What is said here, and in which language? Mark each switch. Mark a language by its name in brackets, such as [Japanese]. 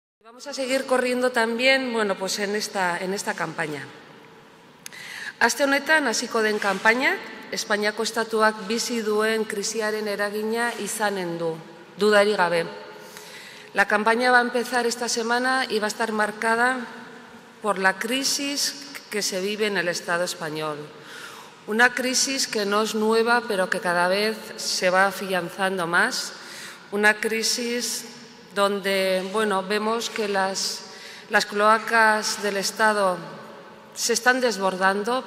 [Spanish] Vamos a seguir corriendo también, bueno, pues en esta campaña. [Basque] Aste honetan hasiko den kanpaina, Espainiako estatuak bizi duen krisiaren eragina izanen du, dudari gabe. [Spanish] La campaña va a empezar esta semana y va a estar marcada por la crisis que se vive en el Estado español. Una crisis que no es nueva, pero que cada vez se va afianzando más. Una crisis donde, bueno, vemos que las cloacas del Estado se están desbordando.